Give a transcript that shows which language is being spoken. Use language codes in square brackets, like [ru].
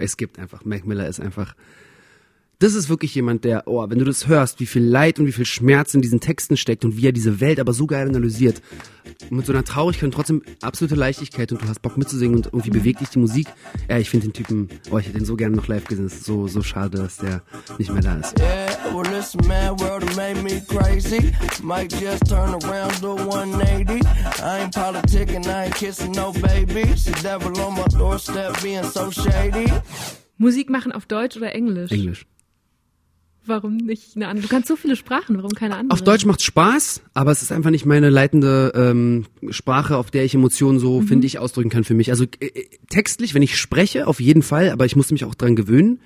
[de] Es gibt einfach, Mac Miller ist einfach, das ist wirklich jemand, der, oh, wenn du das hörst, wie viel Leid und wie viel Schmerz in diesen Texten steckt und wie er diese Welt aber so geil analysiert, mit so einer Traurigkeit und trotzdem absolute Leichtigkeit und du hast Bock mitzusingen und irgendwie bewegt dich die Musik. Ja, ich finde den Typen, oh, ich hätte ihn so gerne noch live gesehen, es ist so, so schade, dass der nicht mehr da ist. [en] Yeah, well this mad world made me crazy, might just turn around to 180, I ain't politicking, I ain't kissing no babies, the devil on my doorstep being so shady. [de] Musik machen auf Deutsch oder Englisch? Englisch. Warum nicht eine andere? Du kannst so viele Sprachen, warum keine andere? Auf Deutsch macht's Spaß, aber es ist einfach nicht meine leitende Sprache, auf der ich Emotionen so, finde ich, ausdrücken kann für mich. Also textlich, wenn ich spreche, auf jeden Fall, aber ich musste mich auch dran gewöhnen.